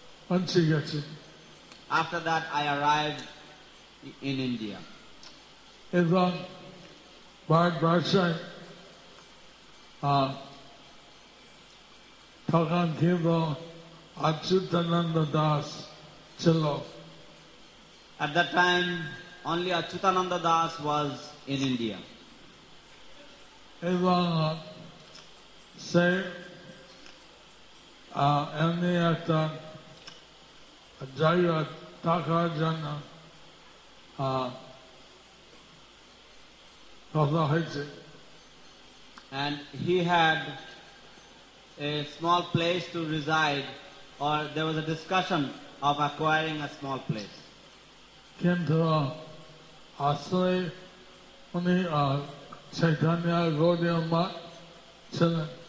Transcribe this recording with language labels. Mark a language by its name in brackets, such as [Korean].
[English] After that I arrived in India. [Bangla] এবং ভারত বর্ষে তখন কিন্তু অচ্যুতানন্দ দাস ছিল। [English] At that time only Achyutananda Das was in India. [Bangla] এবং সে এমনি একটা জায়গা থাকার জন্য কথা হয়েছে। [English] And he had a small place to reside, or there was a discussion of acquiring a small place. [Bangla] কিন্তু আশ্রয়ে উনি চৈতন্য গৌড়িয়াম্মা ছিলেন।